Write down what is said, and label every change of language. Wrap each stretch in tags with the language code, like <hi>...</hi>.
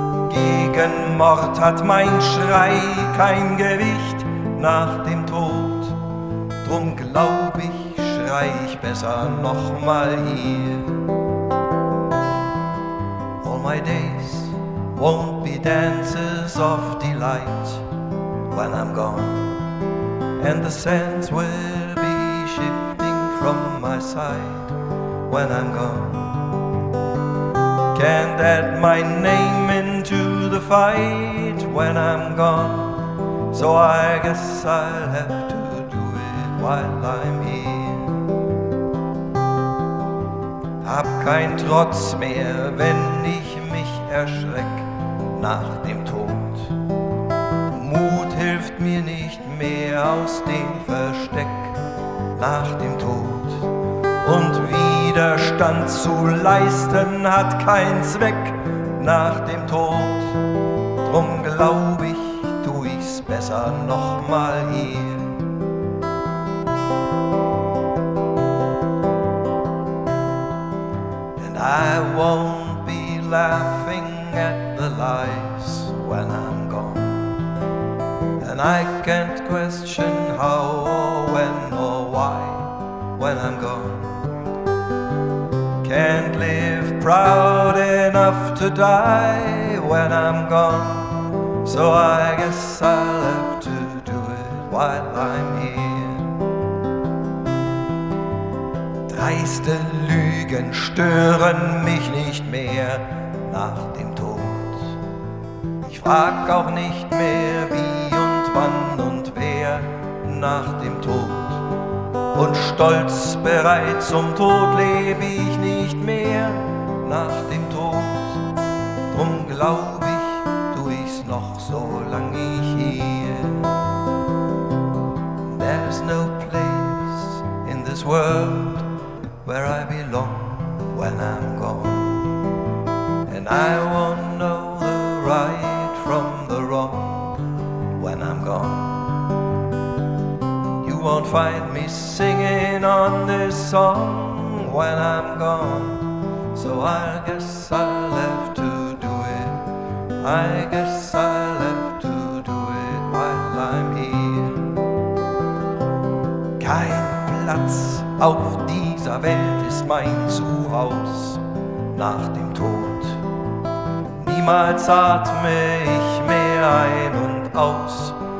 <de>gegen Mord hat mein Schrei kein Gewicht nach dem Tod. Drum glaub ich, schrei ich besser nochmal hier.</de> <en>All my days won't be dances of delight when I'm gone, and the sands will be shifting from my side when I'm gone. Can't add my name into the fight when I'm gone, so I guess I'll have to do it while I'm here.</en> <de>Hab kein Trotz mehr, wenn ich mich erschreck nach dem Tod. Mut hilft mir nicht mehr aus dem Versteck nach dem Tod. Und Widerstand zu leisten hat keinen Zweck nach dem Tod. Drum glaub ich, tu ich's besser nochmal hier.</de> <en>And I won't be laughing at the lies when I'm gone. And I can't question how or when or why when I'm gone. Can't live proud enough to die when I'm gone, so I guess I'll have to do it while I'm here.</en> <de>Dreiste Lügen stören mich nicht mehr nach dem Tod. Ich frag auch nicht mehr, wie und wann und wer nach dem Tod. Und stolz bereit zum Tod lebe ich nicht mehr nach dem Tod. Drum glaub ich, tu ich's noch so lang ich hier.</de> <en>There's no place in this world where I belong when I'm gone. And I won't know the right from the wrong when I'm gone. You won't find me singing on this song when I'm gone, so I guess I'll have to do it. I guess I'll have to do it while I'm here.</en> <de>Kein Platz auf dieser Welt ist mein Zuhause nach dem Tod. Niemals atme ich mehr ein und aus.</de>